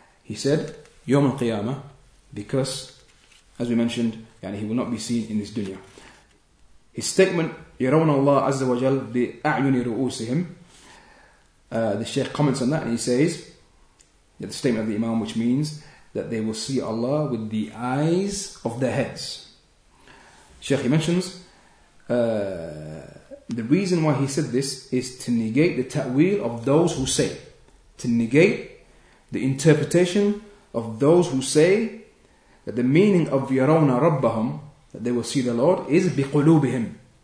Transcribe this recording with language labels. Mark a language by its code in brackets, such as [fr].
[en] He said [ar] يوم القيامة [en] because, as we mentioned, he will not be seen in this dunya. His statement [ar] يرون الله عز وجل بأعين رؤوسهم. [en] The Shaykh comments on that and he says that the statement of the Imam, which means that they will see Allah with the eyes of their heads. Shaykh, he mentions, the reason why he said this is to negate the ta'wil of those who say, to negate the interpretation of those who say that the meaning of yarawna rabbahum, that they will see the Lord, is biqulubihim.